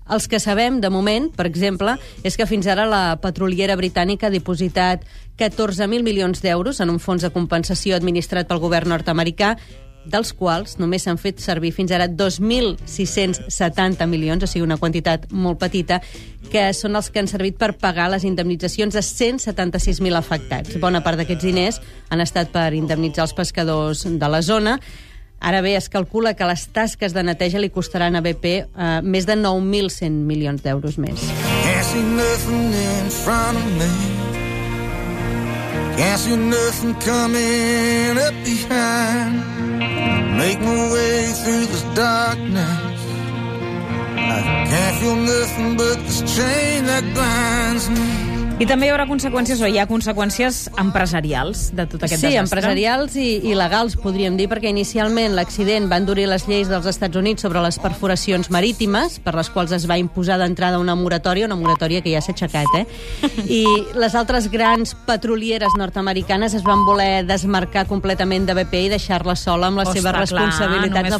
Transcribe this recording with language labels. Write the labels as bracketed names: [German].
[Catalan] Els que sabem, de moment, per exemple, és que fins ara la petroliera britànica ha dipositat 14.000 milions d'euros en un fons de compensació administrat pel govern nord-americà, dels quals només s'han fet servir fins ara 2.670 milions, o sigui, una quantitat molt petita, que són els que han servit per pagar les indemnitzacions a 176.000 afectats. Bona part d'aquests diners han estat per indemnitzar els pescadors de la zona. Ara bé, es calcula que les tasques de neteja li costaran a BP més de 9.100 milions d'euros més. [English] Can't see nothing coming up behind. Make my way through this darkness. I can't feel nothing but this chain that binds me. [Catalan] I també hi haurà conseqüències, o hi ha conseqüències empresarials de tot aquest desastre? Sí, empresarials i legals, podríem dir, perquè inicialment l'accident va endurir les lleis dels Estats Units sobre les perforacions marítimes, per les quals es va imposar d'entrada una moratòria que ja s'ha aixecat, I les altres grans petrolieres nord-americanes es van voler desmarcar completament de BP i deixar-la sola amb la seva responsabilitat.